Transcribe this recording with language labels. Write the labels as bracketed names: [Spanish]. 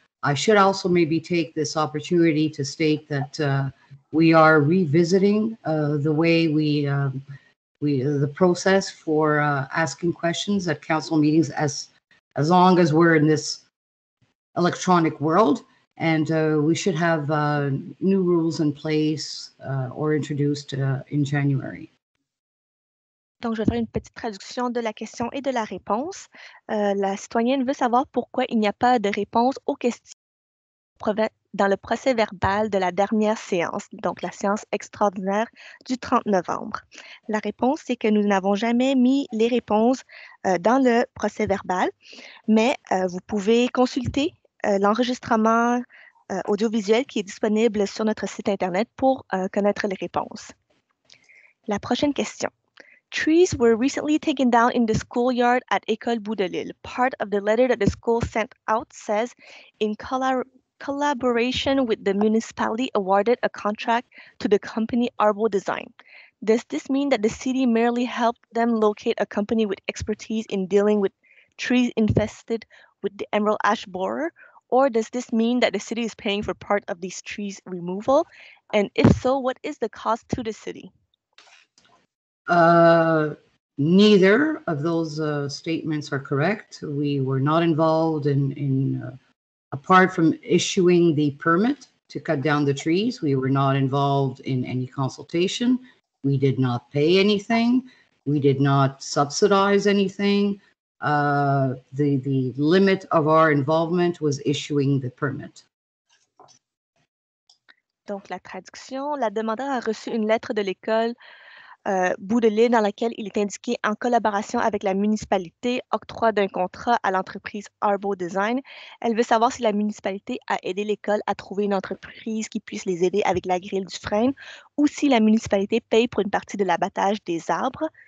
[English] I should also maybe take this opportunity to state that we are revisiting the way the process for asking questions at council meetings as long as we're in this electronic world, and we should have new rules in place or introduced in January. [French] Donc, je vais faire une petite traduction de la question et de la réponse. La citoyenne veut savoir pourquoi il n'y a pas de réponse aux questions dans le procès verbal de la dernière séance, donc la séance extraordinaire du 30 novembre. La réponse, c'est que nous n'avons jamais mis les réponses dans le procès verbal, mais vous pouvez consulter l'enregistrement audiovisuel qui est disponible sur notre site Internet pour connaître les réponses. La prochaine question. [English] Trees were recently taken down in the schoolyard at École Bout de Lille. Part of the letter that the school sent out says, in collaboration with the municipality, awarded a contract to the company Arbo Design. Does this mean that the city merely helped them locate a company with expertise in dealing with trees infested with the emerald ash borer? Or does this mean that the city is paying for part of these trees' removal? And if so, what is the cost to the city? Neither of those statements are correct. We were not involved apart from issuing the permit to cut down the trees, we were not involved in any consultation. We did not pay anything. We did not subsidize anything. The limit of our involvement was issuing the permit. [French] Donc, la traduction, la demandeur a reçu une lettre de l'école Bout de Lille, dans laquelle il est indiqué en collaboration avec la municipalité, octroi d'un contrat à l'entreprise Arbo Design. Elle veut savoir si la municipalité a aidé l'école à trouver une entreprise qui puisse les aider avec la grille du frein ou si la municipalité paye pour une partie de l'abattage des arbres.